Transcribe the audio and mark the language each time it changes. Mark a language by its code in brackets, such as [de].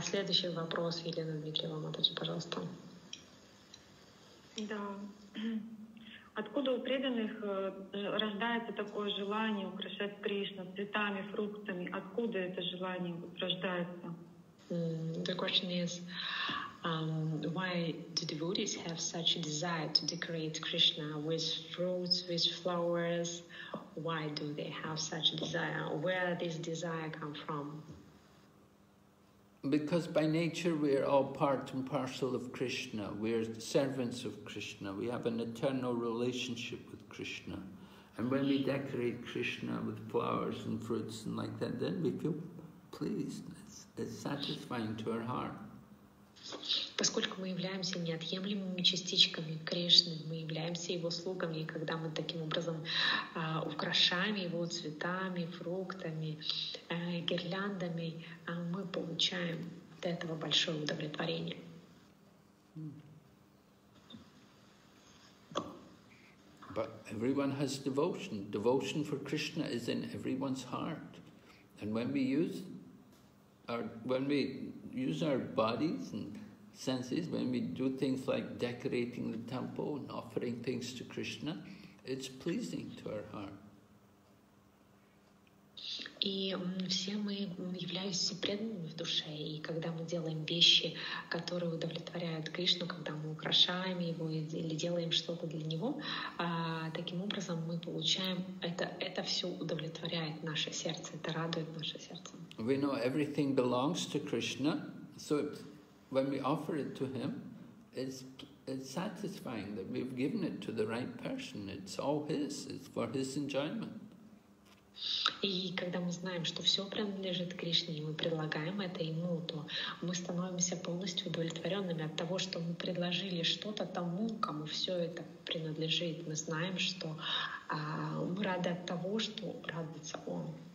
[ru] Следующий вопрос, Елена Дмитриева, Матаджи, пожалуйста. Да. Откуда у преданных рождается такое желание украшать Кришну цветами, фруктами? Откуда это желание рождается? [en] The question is, why do devotees have such a desire to decorate Krishna with fruits, with flowers? Why do they have such a desire? Where does this desire come from? Because by nature we are all part and parcel of Krishna. We are servants of Krishna. We have an eternal relationship with Krishna. And when we decorate Krishna with flowers and fruits and like that, then we feel pleased. It's satisfying to our heart. [ru] Поскольку мы являемся неотъемлемыми частичками Кришны, мы являемся Его слугами, и когда мы таким образом украшаем Его цветами, фруктами, гирляндами, мы получаем от этого большое удовлетворение. [en] But everyone has devotion. Devotion for Krishna is in everyone's heart. And when we use our bodies and senses, when we do things like decorating the temple and offering things to Krishna, it's pleasing to our heart. [ru] И все мы являемся преданными в душе, и когда мы делаем вещи, которые удовлетворяют Кришну, когда мы украшаем его или делаем что-то для него, таким образом мы получаем это все удовлетворяет наше сердце, это радует наше сердце. [en] We know everything belongs to Krishna, so when we offer it to him, it's satisfying that we've given it to the right person. It's all his. It's for his enjoyment. [ru] И когда мы знаем, что все принадлежит Кришне, и мы предлагаем это ему, то мы становимся полностью удовлетворенными от того, что мы предложили что-то тому, кому все это принадлежит. Мы знаем, что мы рады от того, что радуется он.